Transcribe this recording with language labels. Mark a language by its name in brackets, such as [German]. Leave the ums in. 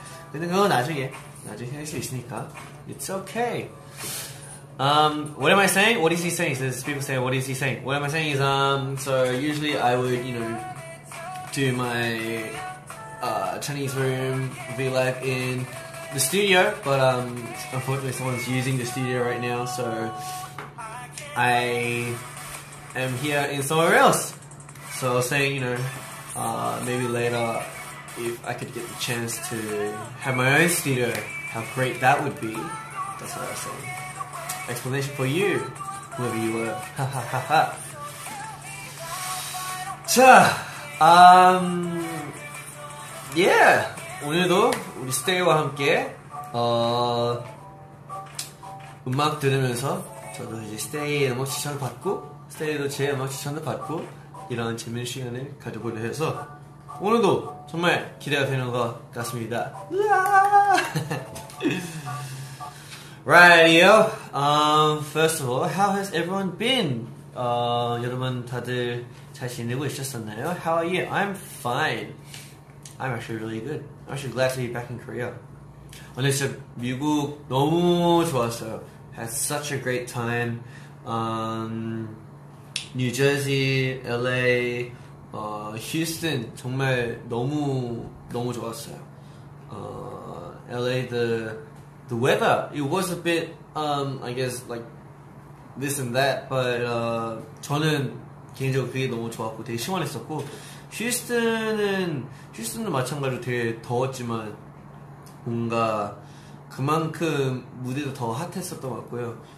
[Korean] 근데 그건 나중에 나중에 할 수 있으니까 [English] it's okay. Um, what am I saying? What is he saying? Since people say, what is he saying? What am I saying is, um, so usually I would, you know, do my uh, Chinese room V Live in the studio, but um, unfortunately someone's using the studio right now, so I am here in somewhere else. So saying, you know, uh, maybe later if I could get the chance to have my own studio, how great that would be. That's what I was saying. Explanation for you, whoever you were. Ha ha ha ha. 자, um, yeah. [Korean] 오늘도 우리 스테이와 함께 어, 음악 들으면서 저도 이제 스테이의 음악 추천을 받고 스테이도 제 음악 추천을 받고 이런 재미있는 시간을 가져보려 해서 오늘도 정말 기대가 되는 것 같습니다. 으아! [English] Rightio. Um, first of all, how has everyone been? [Korean] 어, 여러분 다들 잘 지내고 있었나요? [English] How are you? I'm fine. I'm actually really good. I'm actually glad to be back in Korea. [Korean] 오늘 진짜 미국 너무 좋았어요. [English] Had such a great time. [Korean] Um, New Jersey, LA, 어, 휴스턴 정말 너무 너무 좋았어요. 어, LA [English] the the weather it was a bit um I guess like this and that but uh, [Korean] 저는 개인적으로 그게 너무 좋았고 되게 시원했었고 휴스턴은 휴스턴도 마찬가지로 되게 더웠지만 뭔가 그만큼 무대도 더 핫했었던 것 같고요.